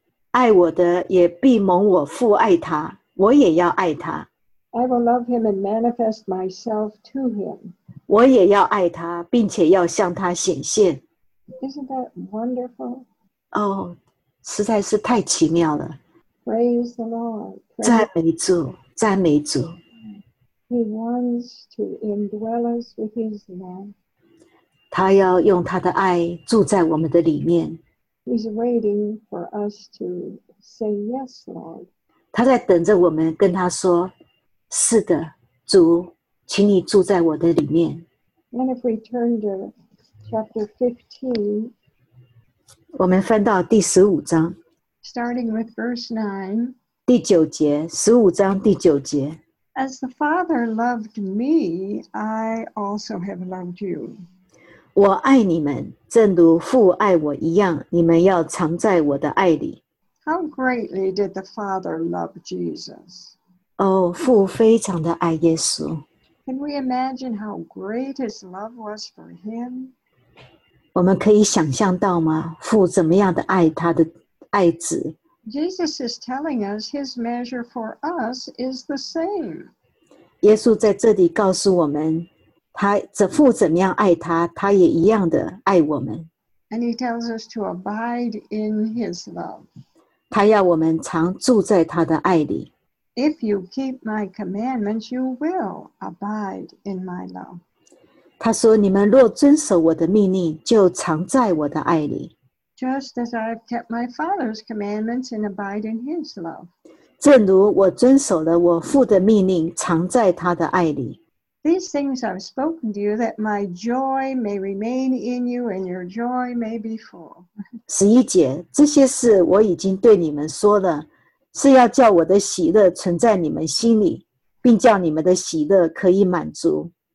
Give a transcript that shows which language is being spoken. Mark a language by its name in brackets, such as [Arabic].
[Chinese] 爱我的也必蒙我父爱他，我也要爱他。 [English] I will love him and manifest myself to him. [Chinese] 我也要爱他，并且要向他显现。 [English] Isn't that wonderful? [Chinese] 哦，实在是太奇妙了。 [English] Praise the Lord. [Chinese] 赞美主，赞美主。 [English] He wants to indwell us with his love. [Chinese] 他要用他的爱住在我们的里面。 [English] He's waiting for us to say yes, Lord. [Chinese] 他在等着我们跟他说，是的，主，请你住在我的里面。 [English] And if we turn to chapter 15, [Chinese] 我们翻到第十五章。 [English] Starting with verse 9, [Chinese] 第九节，十五章第九节。 [English] As the Father loved me, I also have loved you. [Chinese] 我爱你们，正如父爱我一样，你们要常在我的爱里。 [English] How greatly did the Father love Jesus? [Chinese] 哦，父非常的爱耶稣。 [English] Can we imagine how great his love was for him? [Chinese] 我们可以想象到吗？父怎么样的爱他的爱子？ [English] Jesus is telling us his measure for us is the same. [Chinese] 耶稣在这里告诉我们，他这父怎么样爱他，他也一样的爱我们。 [English] And he tells us to abide in his love. [Chinese] 他要我们常住在他的爱里。 [English] If you keep my commandments, you will abide in my love. [Chinese] 他说，你们若遵守我的命令，就常在我的爱里。 [English] Just as I've kept my Father's commandments and abide in his love. [Chinese] 正如我遵守了我父的命令，常在他的爱里。 [English] These things I've spoken to you that my joy may remain in you and your joy may be full. [Chinese] 十一节，这些事我已经对你们说了，是要叫我的喜乐存在你们心里，并叫你们的喜乐可以满足。